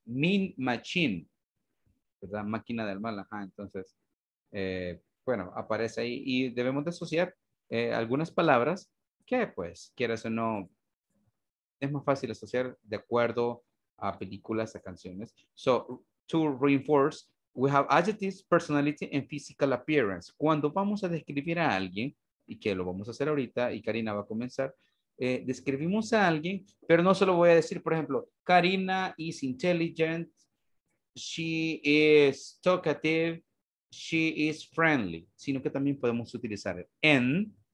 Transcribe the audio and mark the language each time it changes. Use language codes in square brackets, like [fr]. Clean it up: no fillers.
[es] Mean Machine. ¿Verdad? Máquina del Mal. Ajá, entonces, bueno, aparece ahí. Y debemos de asociar algunas palabras que, pues, quieras o no, es más fácil asociar de acuerdo a películas, a canciones. [en] So, to reinforce, we have adjectives, personality, and physical appearance. [es] Cuando vamos a describir a alguien, y que lo vamos a hacer ahorita, y Karina va a comenzar, describimos a alguien, pero no solo voy a decir, por ejemplo, [en] Karina is intelligent, she is talkative, she is friendly, [es] sino que también podemos utilizar el and.